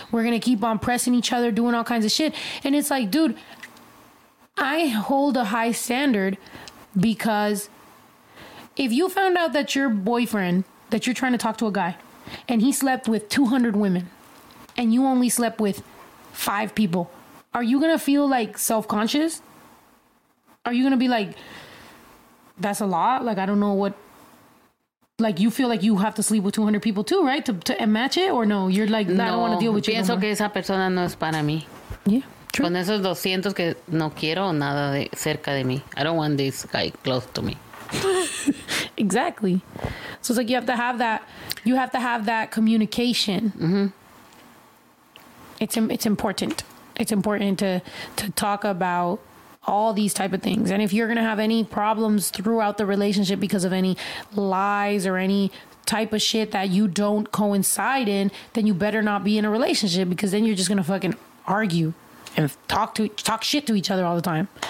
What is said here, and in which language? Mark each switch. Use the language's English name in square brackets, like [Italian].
[English] We're going to keep on pressing each other, doing all kinds of shit. And it's like, dude, I hold a high standard because if you found out that your boyfriend, that you're trying to talk to a guy, and he slept with 200 women, and you only slept with 5 people, are you going to feel, like, self-conscious? Are you going to be like, that's a lot? Like, I don't know what... Like, you feel like you have to sleep with 200 people too, right? To match it? Or no? You're like, no, I don't want to deal with you. [Spanish] No, pienso que esa persona no es para mí. [English] Yeah, true. [Spanish] Con esos 200 que no quiero nada de cerca de mí. [English] I don't want this guy close to me. Exactly. So it's like you have to have that... You have to have that communication. Mm-hmm. It's important. It's important to talk about all these type of things. And if you're going to have any problems throughout the relationship because of any lies or any type of shit that you don't coincide in, then you better not be in a relationship, because then you're just going to fucking argue and talk shit to each other all the time.